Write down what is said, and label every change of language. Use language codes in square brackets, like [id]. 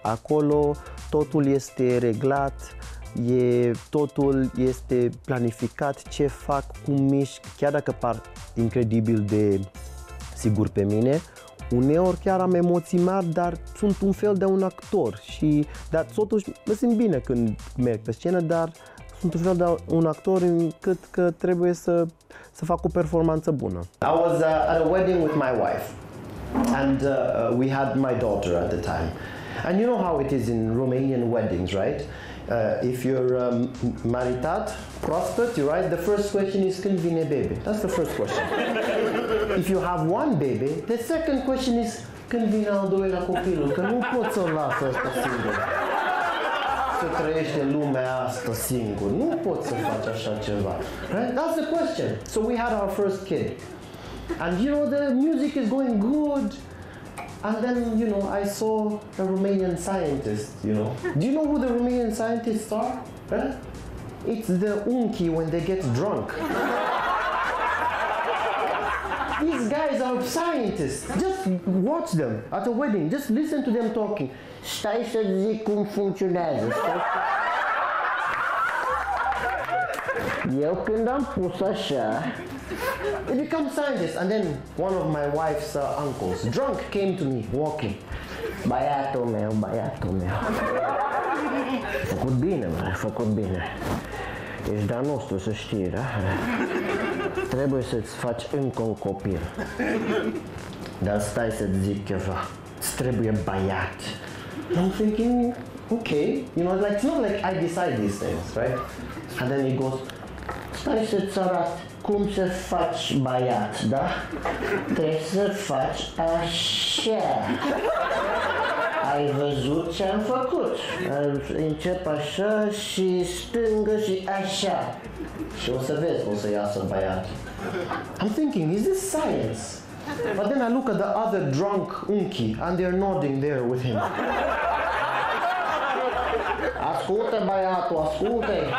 [ro] Acolo totul este reglat. Totul este planificat, ce fac, cum mișc, chiar dacă par incredibil de sigur pe mine, uneori chiar am emoții mari, dar sunt un fel de un actor și, dar totuși mă simt bine când merg pe scenă, dar sunt un fel de un actor încât că trebuie să fac o performanță bună. [en] I was at a wedding with my wife and we had my daughter at the time. And you know how it is in Romanian weddings, right? If you're [ro] maritat, proaspăt, [en] you're right, the first question is [ro] când vine bebe? [en] That's the first question. If you have one baby, the second question is [ro] când vine al doilea copilul? Că nu pot să-l las ăsta singur. Să trăiește lumea asta singur. Nu pot să faci așa ceva. [en] Right? That's the question. So we had our first kid. And you know, the music is going good. And then, you know, I saw a Romanian scientist, you know. Do you know who the Romanian scientists are? Huh? It's the unchi when they get drunk. These guys are scientists. Just watch them at a wedding. Just listen to them talking. [ro] Stai să zic cum funcționează. Eu când am pus așa, [en] They become scientists. And then one of my wife's uncles, drunk, came to me walking. [ro] Băiatul meu, băiatul meu. Făcut bine, mă, făcut bine. Ești de-a nostru, să știi, da? Trebuie să-ți faci încă un copil. Dar stai să-ți zic ceva. Îți trebuie băiat. [en] And I'm thinking, okay. You know, like, it's not like I decide these things, right? And then he goes, [ro] stai să-ți arat cum să faci băiat, da? Trebuie să faci așa. Ai văzut ce am făcut? Încep așa și stângă și așa. Și o să vezi cum să iasă băiat. [en] I'm thinking, is this science? But then I look at the other drunk unchi and they're nodding there with him. [ro] Ascultă băiatul, ascultă!